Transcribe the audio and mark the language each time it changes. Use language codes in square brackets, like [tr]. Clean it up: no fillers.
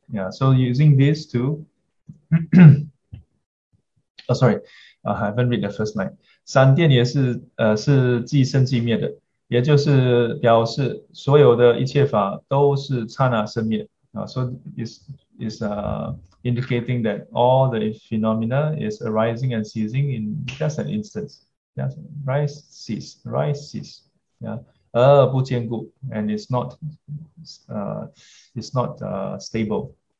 [en] So using this to I haven't read the first line. [zh] 闪电也是即生即灭的, 也就是表示所有的一切法都是刹那生灭. [en] So it's indicating that all the phenomena is arising and ceasing in just an instant. Rise, cease, rise, cease. [zh] 而不坚固, [en] and it's not stable.